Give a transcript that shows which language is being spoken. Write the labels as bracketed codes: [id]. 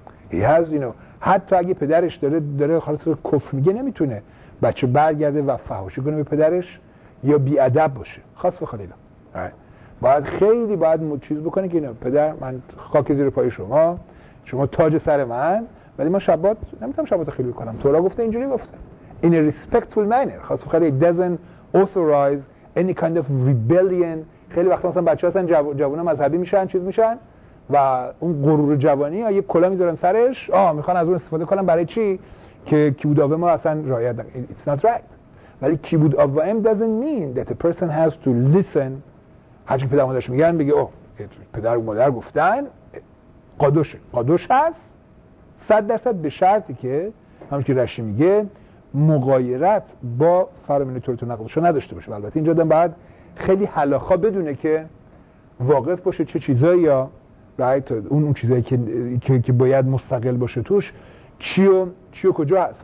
[en] he has you know, [fa] حتی اگه پدرش داره خالص کفر میگه نمیتونه بچه برگرده و فحاشی کنه به پدرش یا بی ادب باشه. خاص به خدایا باید خیلی باید چیز بکنه که اینو پدر من خاک زیر پای شما، شما تاج سر من، ولی من شبات نمیتونم شبات خیلی کنم. تورا گفته اینجوری گفته [en] in a respectful manner، [fa] خاص به خدایا [en] doesn't authorize any kind of rebellion. [fa] خیلی وقتا مثلا بچه‌ها مثلا جوان مذهبی میشن چیز میشن و اون غرور جوانی یا یه کلا میذارن سرش، میخوان از اون استفاده کنن برای چی؟ که کی بود آوام اصلا رعایت نکنه. [en] It's not right. [fa] ولی کی بود آوام [en] doesn't mean that a person has to listen. [fa] هرچی پدر مادرش میگن بگه پدر و مادر گفتن قادوشه. قادوش هست 100% به شرطی که همون که رشی میگه مغایرت با فرمان طورت و نقلشو نداشته باشه. البته اینجا دارم بعد خیلی حلاخا بدونه که واقف باشه چه چیزایی یا رایت اون چیزایی که باید مستقل باشه توش چی و کجا هست.